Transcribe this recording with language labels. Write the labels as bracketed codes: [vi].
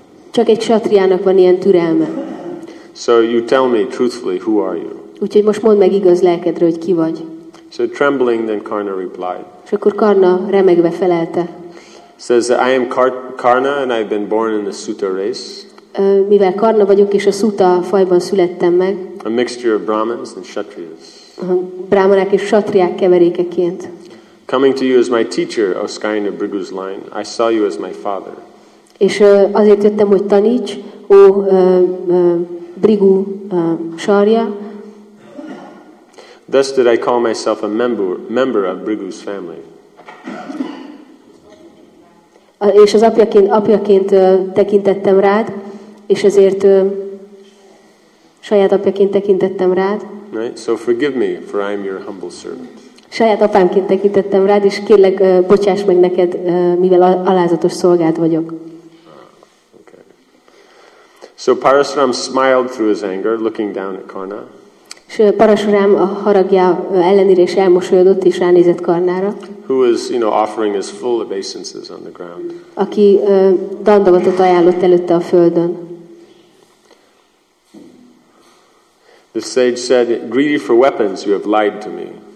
[hu] Csak egy kshatriának van ilyen türelme. [en] So you tell me truthfully, who are you? [hu] Úgyhogy most mondd meg igaz lelkedre, hogy ki vagy. [en] So trembling, then Karna replied. [hu] És akkor Karna remegve felelte. [en] Says that I am Karna and I've been born in the Suta race. [hu] Mivel Karna vagyok és a Suta fajban születtem meg. [en] A mixture of Brahmins and Kshatriyas. [hu] Brahmanák és Kshatriyák keverékeként. [en] Coming to you as my teacher, O Skyne of Bhrigu's line, I saw you as my father. [hu] És azért jöttem, hogy taníts, ó Bhrigu Sarja. [en] Thus did I call myself a member of Bhrigu's family. [hu] És az apjaként tekintettem rád, és ezért saját apjaként tekintettem rád. [en] Right? So forgive me, for I am your humble servant. [hu] Saját apámként tekintettem rád, és kérlek, bocsáss meg neked, mivel alázatos szolgád vagyok. [en] Okay. So Parashuram smiled through his anger, looking down at Karna. [hu] És Parashuram a haragja ellenére is elmosolyodott, és ránézett Karnára. [en] Who is, you know, offering his full obeisances on the ground. [hu] Aki dandavatot ajánlott előtte a földön. [en] The sage said, greedy for weapons, you have lied to me.